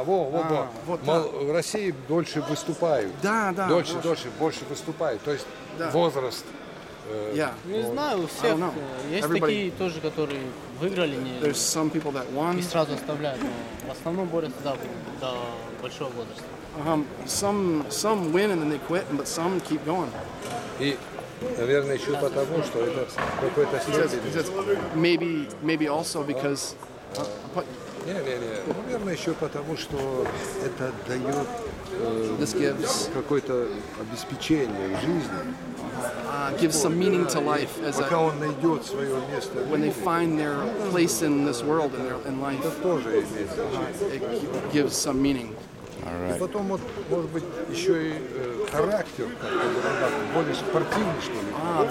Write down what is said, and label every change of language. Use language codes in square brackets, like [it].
[ru] В России дольше выступают. Да. Дольше, больше выступают. То есть возраст. Не знаю, у всех есть такие тоже, которые выиграли и сразу оставляют, но в основном борются до большого возраста. [en] Some win and then they quit, but some keep going. [ru] И, наверное, еще потому, что это какой-то [en] стиль. Maybe also because... [ru] Наверное, еще потому, что это дает какое-то обеспечение жизни. [en] Gives some meaning to life as when they find their place in this world and in life. It gives some meaning. All right. [ru] Потом вот, может быть, еще и характер более спортивный, что ли.